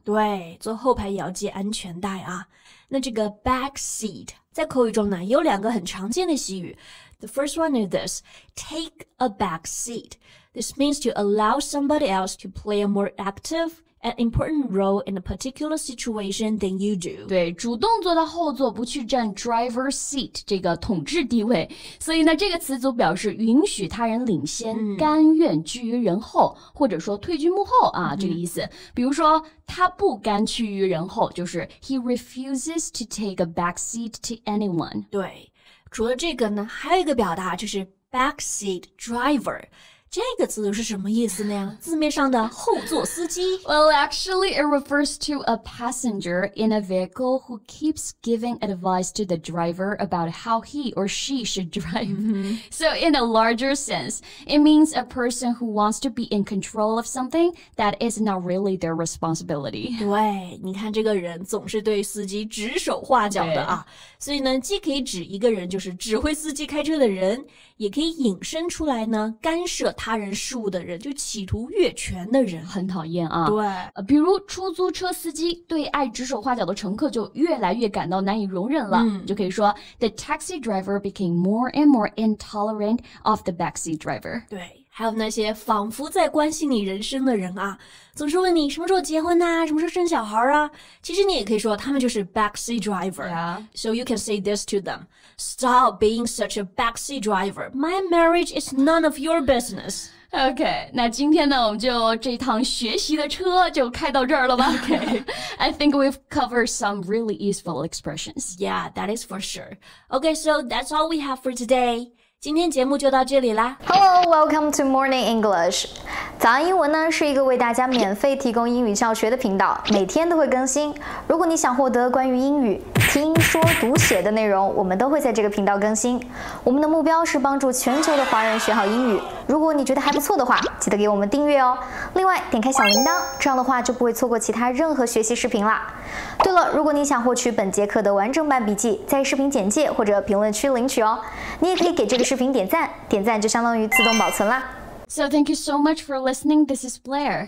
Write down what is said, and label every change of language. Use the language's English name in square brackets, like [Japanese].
[Chinese] 对坐后排也要系安全带啊那这个 backseat 在口语中呢有两个很常见的习语 [English] The first one is this Take a backseat This means to allow somebody else to play a more active an important role in a particular situation than you do. [Chinese] 对，主动坐到后座，不去占 driver's seat 这个统治地位。所以呢，这个词组表示允许他人领先、甘愿居于人后，或者说退居幕后啊，这个意思。比如说，他不甘屈于人后，就是 he refuses to take a back seat to anyone. 对，除了这个呢，还有一个表达就是 back seat driver。这个词是什么意思呢？字面上的后座司机。 [English] Well, actually, it refers to a passenger in a vehicle who keeps giving advice to the driver about how he or she should drive. So, in a larger sense, it means a person who wants to be in control of something that is not really their responsibility. [Chinese] 对，你看这个人总是对司机指手画脚的啊。所以呢，既可以指一个人就是指挥司机开车的人，也可以引申出来呢，干涉他人事务的人，就企图越权的人，很讨厌啊。对，比如出租车司机对爱指手画脚的乘客就越来越感到难以容忍了，就可以说 [English] The taxi driver became more and more intolerant of the backseat driver. [Chinese] 对，还有那些仿佛在关心你人生的人啊，总是问你什么时候结婚啊，什么时候生小孩啊，其实你也可以说他们就是 backseat driver. [English] Yeah. So you can say this to them. Stop being such a backseat driver. My marriage is none of your business. [Chinese] OK, 那今天呢我们就这趟学习的车就开到这儿了吧。 [English] OK, I think we've covered some really useful expressions. Yeah, that is for sure. OK, so that's all we have for today. [Chinese] 今天节目就到这里啦。 [English] Hello, welcome to Morning English. [Chinese] 早安英文呢是一个为大家免费提供英语教学的频道，每天都会更新。如果你想获得关于英语听说读写的内容，我们都会在这个频道更新。我们的目标是帮助全球的华人学好英语。如果你觉得还不错的话，记得给我们订阅哦。另外，点开小铃铛，这样的话就不会错过其他任何学习视频啦。对了，如果你想获取本节课的完整版笔记，在视频简介或者评论区领取哦。你也可以给这个视频点赞，点赞就相当于自动保存啦。 [English] So thank you so much for listening. This is Blair.